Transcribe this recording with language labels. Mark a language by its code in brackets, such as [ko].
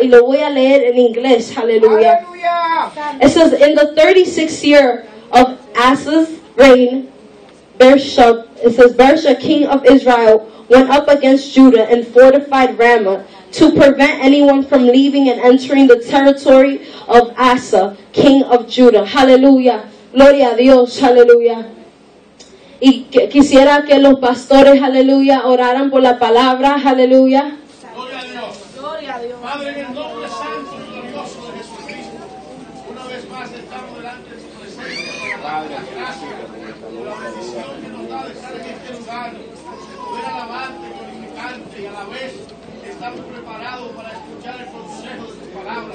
[es] Y lo voy a leer en inglés, hallelujah. [en] It says, in the 36th year of Asa's reign, Baasha, king of Israel, went up against Judah and fortified Ramah to prevent anyone from leaving and entering the territory of Asa, king of Judah. [es] Hallelujah. Gloria a Dios, hallelujah. Y quisiera que los pastores, aleluya, oraran por la palabra, aleluya. Gloria a Dios. Gloria a Dios. Padre, en el nombre santo y glorioso de Jesucristo, una vez más estamos delante de tu presencia. Padre, gracias por la bendición que nos da de estar en este lugar, de poder alabarte, glorificarte, y a la vez estamos preparados para escuchar el consejo de tu palabra.